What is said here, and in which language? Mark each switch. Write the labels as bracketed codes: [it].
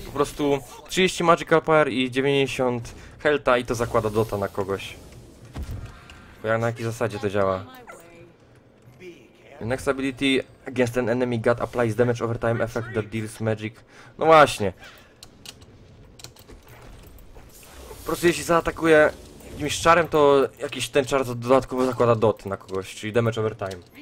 [pl] Po prostu 30 magical power i 90 healtha i to zakłada dota na kogoś. Bo jak na jakiej zasadzie to działa? [en] Next ability against an enemy god applies damage over time effect that deals magic. [pl] No właśnie. Po prostu jeśli zaatakuje jakimś czarem, to jakiś ten czar to dodatkowo zakłada dot na kogoś, czyli damage over time.